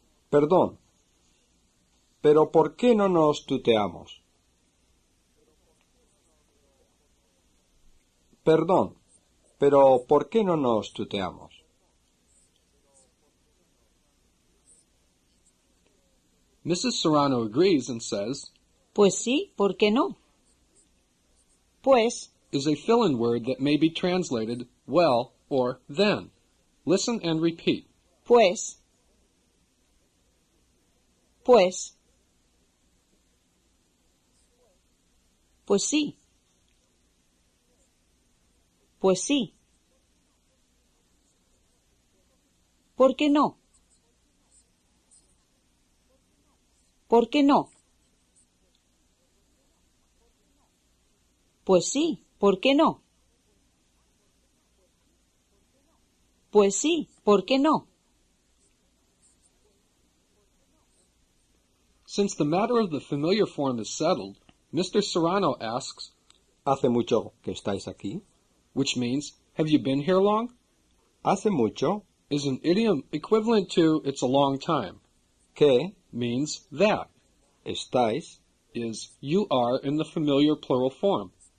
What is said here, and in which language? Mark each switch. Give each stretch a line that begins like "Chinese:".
Spanish: Perdón, pero ¿por qué no nos tuteamos? Perdón, pero ¿por qué no nos tuteamos?
English: Mrs. Serrano agrees and says,
Spanish: Pues sí, ¿por qué no? Pues
English: is a fill-in word that may be translated well or then. Listen and repeat.
Spanish: Pues. Pues. Pues sí. Pues sí. ¿Por qué no? ¿Por qué no? Pues sí, ¿por qué no? Pues sí, ¿por qué no?
English: Since the matter of the familiar form is settled, Mr. Serrano asks,
Spanish: ¿Hace mucho que estáis aquí?
English: Which means, have you been here long?
Spanish: Hace mucho
English: is an idiom equivalent to it's a long time.
Spanish: Que
English: means that.
Spanish: Estáis
English: is you are in the familiar plural form.